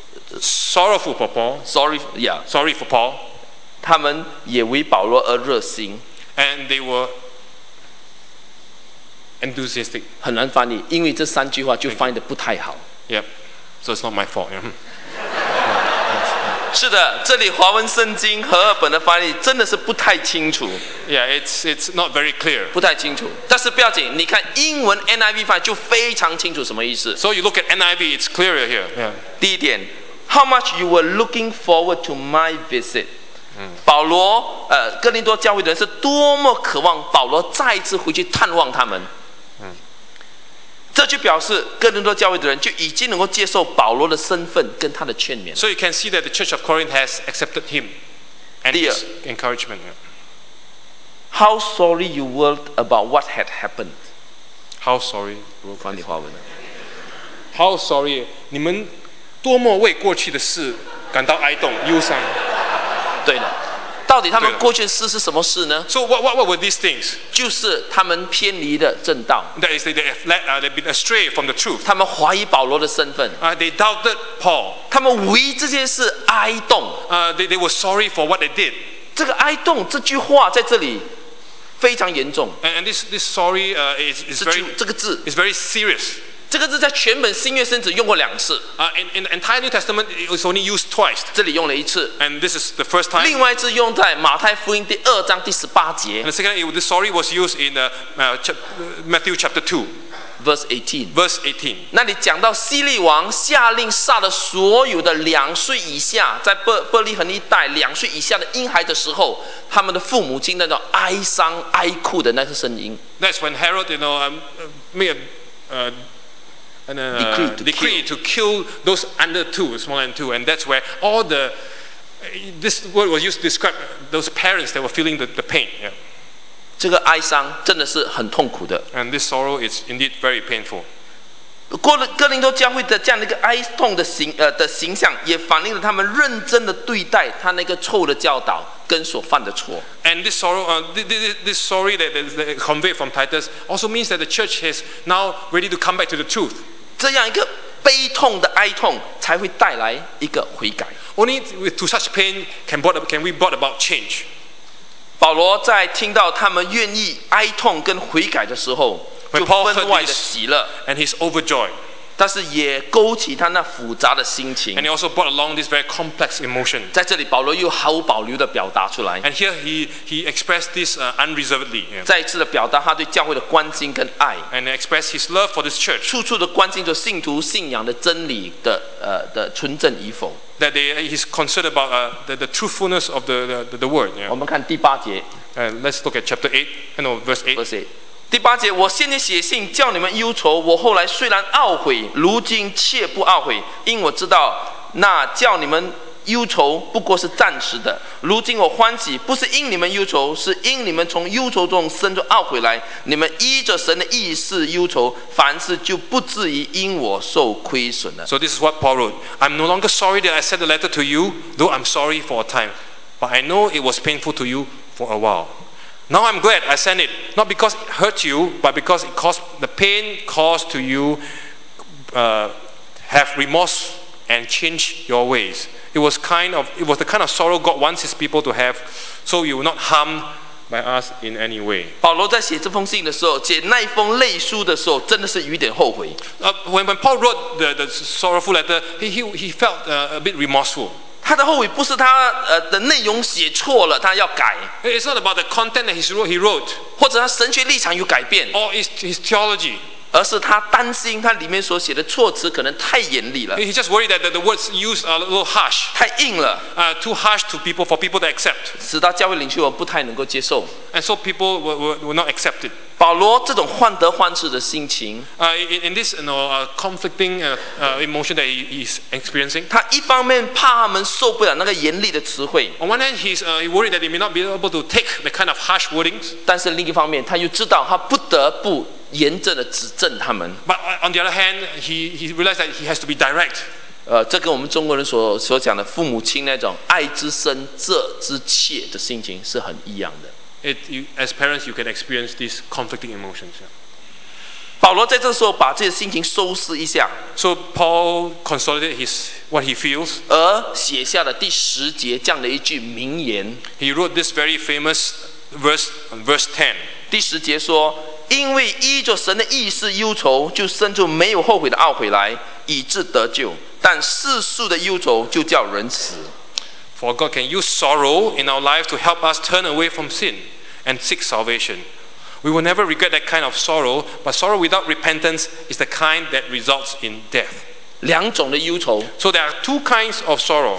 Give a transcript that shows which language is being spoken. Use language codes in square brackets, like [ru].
[en] They were sorrowful for Paul. Sorry for Paul. [zh] 他们也为保罗而热心 [en] ，and they were enthusiastic. [zh] 很难翻译，因为这三句话就翻译的不太好。 [en] Yep, so it's not my fault. [zh] 是的，这里华文圣经和合本的翻译真的是不太清楚。 [en] Yeah, it's not very clear. [zh] 不太清楚，但是不要紧，你看英文 NIV 翻译就非常清楚什么意思。 [en] So you look at NIV, it's clearer here. Yeah. [zh] 第一点 [en] ，How much you were looking forward to my visit. [zh] 保罗，哥林多教会的人是多么渴望保罗再次回去探望他们。这就表示哥林多教会的人就已经能够接受保罗的身份跟他的劝勉。 [en] So you can see that the church of Corinth has accepted him and his encouragement. How sorry you were about what had happened. How sorry. [zh] 翻译华文。 [en] How sorry. [zh] 你们多么为过去的事感到哀恸忧伤。对了。到底他们过去的事是什么事呢？ [en] So what were these things? [zh] 就是他们偏离的正道。 [en] That is they have led, they've been astray from the truth. [zh] 他们怀疑保罗的身份。 [en] They doubted Paul. [zh] 他们为这件事哀恸。 [en] They were sorry for what they did. [zh] 这个哀恸这句话在这里非常严重。 [en] And this sorry is very [zh] 这个字 [en] is very serious. [zh] 这个字在全本新约圣经用过两次。 [en] In the entire New Testament, it was only used twice. [zh] 这里用了一次。 [en] And this is the first time. [zh] 另外一次用在马太福音第二章第十八节。 [en] And secondly, the sorry was used in Matthew chapter 2. Verse 18. [zh] 那里讲到希律王下令杀了所有的两岁以下，在伯利恒一带两岁以下的婴孩的时候，他们的父母亲那种哀伤哀哭的那个声音。 [en] That's when Herod, you know, made decree to kill those under two, small and two, and that's where all the this word was used to describe those parents that were feeling the pain. Yeah. [zh] 这个哀伤真的是很痛苦的。 [en] And this sorrow is indeed very painful. [zh] 哥林多教会的这样的一个哀痛的形象，也反映了他们认真的对待他那个错的教导跟所犯的错。 [en] And this sorrow, this sorry that conveyed from Titus also means that the church is now ready to come back to the truth. [zh] 这样一个悲痛的哀痛才会带来一个悔改。 [en] Only with to such pain can we brought about change. [zh] 保罗在听到他们愿意哀痛跟悔改的时候，就分外的喜乐。 [en] And he's overjoyed. [zh] 但是也勾起他那复杂的心情。 [en] And he also brought along this very complex emotion. [zh] 在这里，保罗又毫无保留的表达出来。 [en] And here he expressed this unreservedly. [zh] 再一次的表达他对教会的关心跟爱。 [en] And expressed his love for this church. [zh] 处处的关心着信徒信仰的真理的纯正与否。 [en] That he's concerned about the truthfulness of the word. [zh] 我们看第八节。 [en] Let's look at chapter 8, no, verse 8. Verse 8. [zh] 第八节，我先前写信叫你们忧愁，我后来虽然懊悔，如今却不懊悔，因我知道那叫你们忧愁不过是暂时的。如今我欢喜，不是因你们忧愁，是因你们从忧愁中生出懊悔来。你们依着神的意思忧愁，凡事就不至于因我受亏损了。 [en] So this is what Paul wrote. I'm no longer sorry that I sent the letter to you, though I'm sorry for a time, but I know it was painful to you for a while. Now I'm glad I sent it, not because it hurt you, but because it caused the pain caused to you have remorse and change your ways. It was the kind of sorrow God wants His people to have, so you will not harm by us in any way. [zh] 保罗在写这封信的时候，写那一封泪书的时候，真的是有点后悔。 [en] When Paul wrote the sorrowful letter, he felt a bit remorseful. [zh] 他的后悔不是他的内容写错了，他要改。 [en] It's not about the content that he wrote， [zh] 或者他神学立场有改变。 [en] Or his theology， [zh] 而是他担心他里面所写的措辞可能太严厉了。 [en] He just worried that the words used are a little harsh， [zh] 太硬了。 [en] Too harsh to people for people to accept， [zh] 使到教会领袖不太能够接受。 [en] And so people were not accepted。 [zh] 保罗这种患得患失的心情 [en] in this you know, conflicting emotion that he is experiencing， [zh] 他一方面怕他们受不了那个严厉的词汇。 [en] On one hand, he's worried that he may not be able to take the kind of harsh wordings， [zh] 但是另一方面他又知道他不得不严正的指正他们。 [en] But on the other hand, he realized that he has to be direct。 [zh] 这跟我们中国人所讲的父母亲那种爱之深责之切的心情是很一样的。 [en] As parents, you can experience these conflicting emotions. [zh] 保罗在这时候把自己的心情收拾一下。 [en] So Paul consolidated his what he feels. [zh] 而写下了第十节这样的一句名言。 [en] He wrote this very famous verse 10. [zh] 第十节说：“因为依着神的意思忧愁，就生出没有后悔的懊悔来，以致得救。但世俗的忧愁，就叫人死。” [en] For God can use sorrow in our life to help us turn away from sin and seek salvation. We will never regret that kind of sorrow, but sorrow without repentance is the kind that results in death. [zh] 两种的忧愁。 [en] So there are two kinds of sorrow.